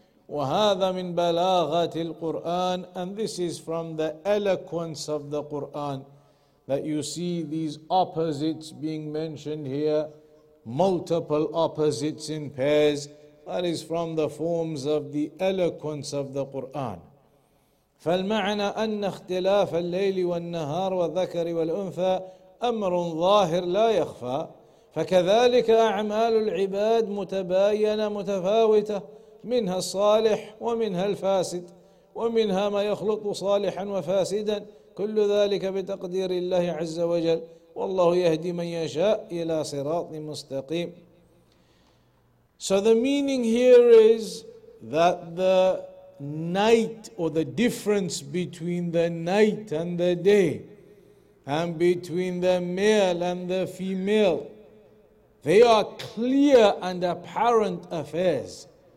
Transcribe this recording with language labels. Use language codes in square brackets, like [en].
[ar] وَهَذَا مِنْ بَلَاغَةِ الْقُرْآنِ. [en] And this is from the eloquence of the Qur'an, that you see these opposites being mentioned here, multiple opposites in pairs. That is from the forms of the eloquence of the Qur'an. [ar] فَالْمَعْنَى أَنَّ اخْتِلَافَ اللَّيْلِ وَالنَّهَارِ وَالذَّكَرِ وَالْأُنْثَى أَمْرٌ ظَاهِرٌ لَا يَخْفَى فَكَذَلِكَ أَعْمَالُ الْعِبَادِ مُتَبَايَنَةٌ مُتَفَاوِتَةٌ منها الصالح ومنها الفاسد ومنها ما يخلط صالحا وفاسدا كل ذلك بتقدير الله عز وجل والله يهدي من يشاء إلى صراط مستقيم. [en] So the meaning here is that the night, or the difference between the night and the day, and between the male and the female, they are clear and apparent affairs.